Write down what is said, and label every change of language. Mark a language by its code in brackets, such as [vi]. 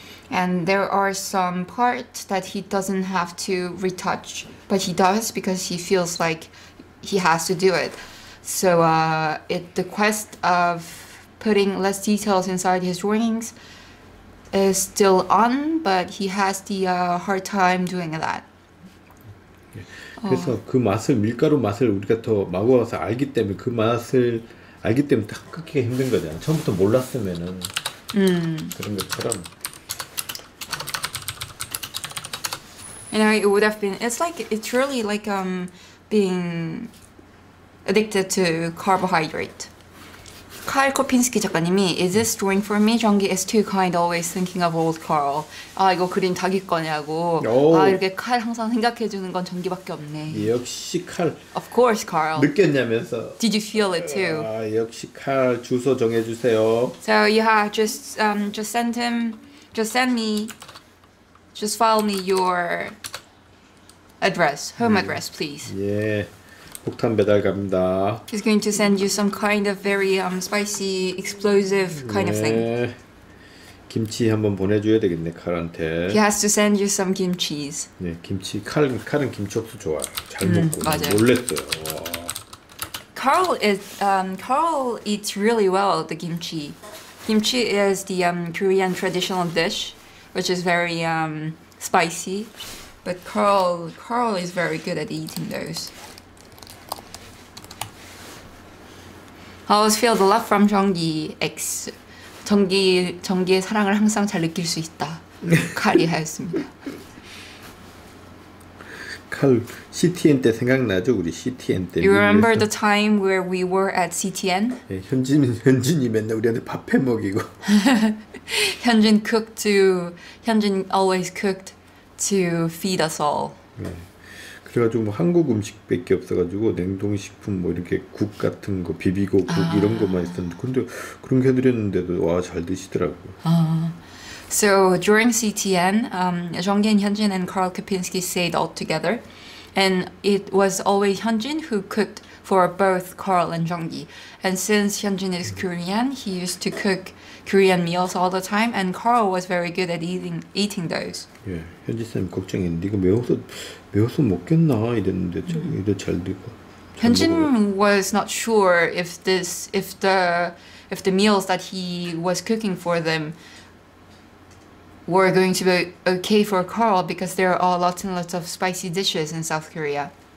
[en] And there are some parts that he doesn't have to retouch, but he does because he feels like he has to do it. So the quest of putting less details inside his drawings is still on, but he has the hard time doing that. [ko] 그래서 그 맛을 밀가루 맛을 우리가 더 먹어서 알기 때문에 그 맛을 알기 때문에 딱 끊기가 힘든 거잖아. 처음부터 몰랐으면은 그런 것처럼. [en] You know, it would have been. It's like it's really like being addicted to carbohydrate. Kyle Kopinski [ko] 작가님이 [en] is this drawing for me? 정기 is too kind. Always thinking of old Carl. [ko] 아 이거 그림 자기 거냐고. Oh. 아 이렇게 칼 항상 생각해 주는 건 정기밖에 없네. 역시 칼. [en] Of course, Carl. [ko] 느꼈냐면서. [en] Did you feel it too? [ko] 아 역시 칼 주소 정해 주세요. [en] So you have just send him, just send me, just file me your address, home address, please. [ko] 예. 폭탄 배달 갑니다. [en] He's going to send you some kind of very spicy, explosive kind of thing. [ko] 김치 한번 보내줘야 되겠네 칼한테. [en] He has to send you some kimchi's. [ko] 네, 김치. 칼은 김치 없어 좋아. 잘 먹고 맞아요. 놀랬어요. 와. [en] Carl eats really well the kimchi. Kimchi is the Korean traditional dish, which is very spicy. But Carl is very good at eating those. I always feel the love from 정기 X. [ko] 정기의 사랑을 항상 잘 느낄 수 있다. 칼이 하였습니다. 칼 CTN 때 생각나죠? 우리 CTN 때. [en] You remember the time where we were at CTN? [ko] 예, 현진이 맨날 우리한테 밥 해 먹이고. [en] 현진 always cooked to feed us all. [ko] 예. 그래가지고 뭐 한국 음식밖에 없어가지고 냉동식품 뭐 이렇게 국 같은 거 비비고 국 이런 것만 있었는데 근데 그런 게 해드렸는데도 와 잘 드시더라고요. [en] So during CTN, Jonghyun, Hyunjin and Carl Kopinski stayed all together. And it was always Hyunjin who cooked for both Carl and Jonghyun. And since Hyunjin is Korean, he used to cook Korean meals all the time, and Carl was very good at eating those. [ko] Yeah, 현진 쌤 걱정했는데 이거 매워서 먹겠나 이랬는데 이래 잘 되고. [en] 현진 was not sure if the meals that he was cooking for them were going to be okay for Carl because there are lots and lots of spicy dishes in South Korea.